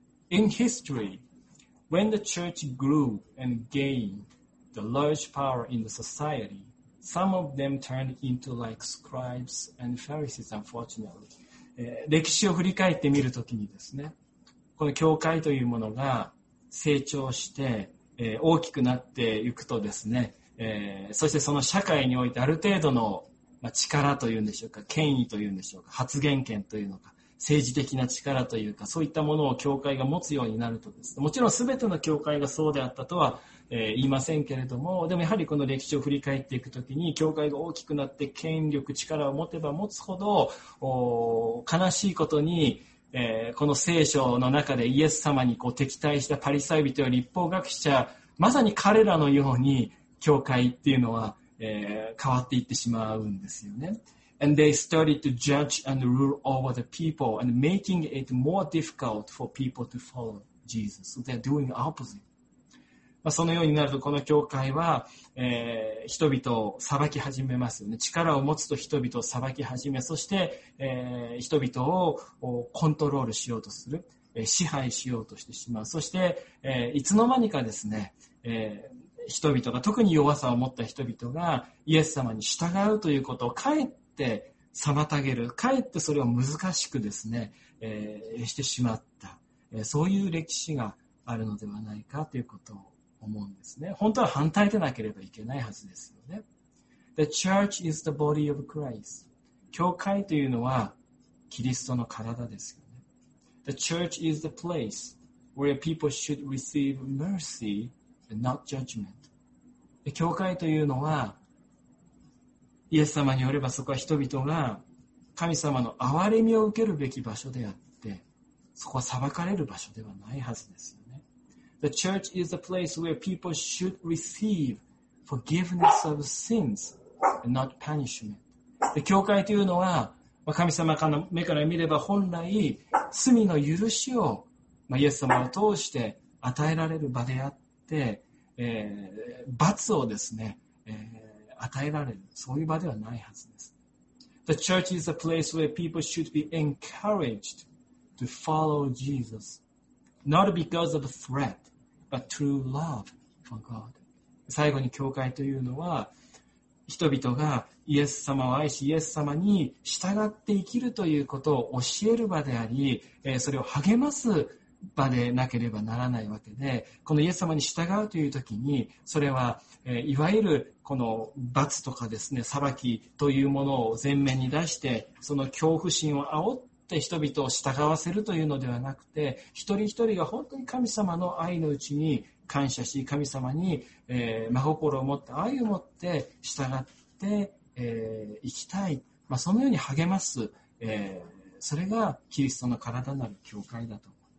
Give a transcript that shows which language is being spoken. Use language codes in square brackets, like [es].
[en] In history, when the church grew and gainedthe large power in the society, some of them turned into like scribes and Pharisees, unfortunately. [ja] 歴史を振り返ってみるときにですね、この教会というものが成長して、大きくなっていくとですね、そしてその社会においてある程度の、まあ、力というんでしょうか、権威というんでしょうか、発言権というのか、政治的な力というか、そういったものを教会が持つようになるとです、ね、もちろん全ての教会がそうであったとは、言いませんけれども、でもやはりこの歴史を振り返っていくときに、教会が大きくなって権力力を持てば持つほど、悲しいことに、この聖書の中でイエス様にこう敵対したパリサイ人や律法学者、まさに彼らのように教会っていうのは、変わっていってしまうんですよね。 [en] And they started to judge and rule over the people and making it more difficult for people to follow Jesus. So they're doing the opposite. [ja] まあ、そのようになるとこの教会は、人々を裁き始めますよね。力を持つと人々を裁き始め、そして、人々をコントロールしようとする、支配しようとしてしまう。そして、いつの間にかですね、人々が、特に弱さを持った人々がイエス様に従うということをかえって妨げる、かえってそれを難しくですね、してしまった、そういう歴史があるのではないかということを思うんですね。本当は反対でなければいけないはずですよね。 [en] The church is the body of Christ. [ja] 教会というのはキリストの体ですよね。 [en] The church is the place where people should receive mercy and not judgment. [ja] 教会というのはイエス様によれば、そこは人々が神様の憐れみを受けるべき場所であって、そこは裁かれる場所ではないはずですよね。 [en] The church is a place where people should receive forgiveness of sins and not punishment. [ja] で、教会というのは、まあ、神様の目から見れば本来罪の許しを、まあ、イエス様を通して与えられる場であって、罰をですね、与えられる、そういう場ではないはずです。 [en] The church is a place where people should be encouraged to follow Jesus, not because of threat, but through love for God. [ja] 最後に教会というのは、人々がイエス様を愛し、イエス様に従って生きるということを教える場であり、それを励ます場でなければならないわけで、このイエス様に従うという時に、それは、いわゆるこの罰とかですね、裁きというものを前面に出して、その恐怖心を煽って人々を従わせるというのではなくて、一人一人が本当に神様の愛のうちに感謝し、神様に、真心を持って愛を持って従って、生きたい、まあ、そのように励ます、それがキリストの体なる教会だと。